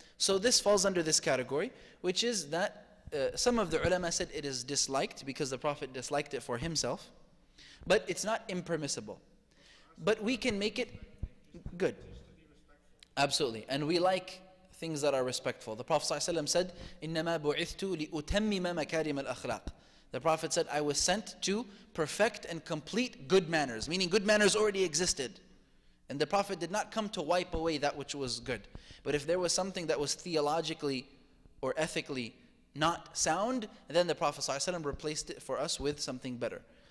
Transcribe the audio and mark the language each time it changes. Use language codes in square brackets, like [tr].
[en] So this falls under this category, which is that some of the ulama said it is disliked because the Prophet disliked it for himself, but it's not impermissible. But we can make it good. Absolutely. And we like things that are respectful. The Prophet ﷺ said, [ar] إِنَّمَا بُعِثْتُ لِأُتَمِّمَ مَكَارِمَ الْأَخْلَاقِ. [en] The Prophet said, I was sent to perfect and complete good manners, meaning good manners already existed. And the Prophet did not come to wipe away that which was good. But if there was something that was theologically or ethically not sound, then the Prophet ﷺ replaced it for us with something better.